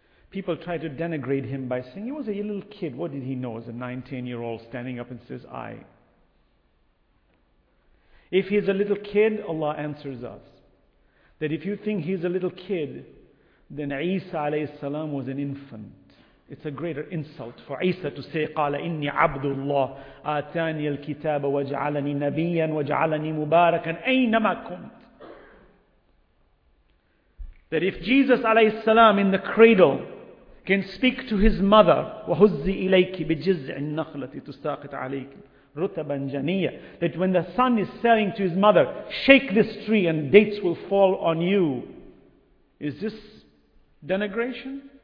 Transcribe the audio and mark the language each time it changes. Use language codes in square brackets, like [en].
[en] People try to denigrate him by saying, he was a little kid. What did he know as a 9-10-year-old standing up and says, I? If he's a little kid, Allah answers us. That if you think he's a little kid, then Isa alayhi salam was an infant. It's a greater insult for Isa to say, [ar] قَالَ إِنِّي عَبْدُ اللَّهِ آتَانِيَ الْكِتَابَ وَجَعَلَنِي نَبِيًّا وَجَعَلَنِي مُبَارَكًا أَيْنَمَا كُنْتُ. [en] That if Jesus alayhi salam in the cradle can speak to his mother, [ar] وَهُزِّي إِلَيْكِ بِجِزْعِ النَّخْلَةِ تُسَاقِطْ عَلَيْكِ رُتَبًا جَنِيًّا, [en] that when the son is saying to his mother, shake this tree and dates will fall on you, is this denigration?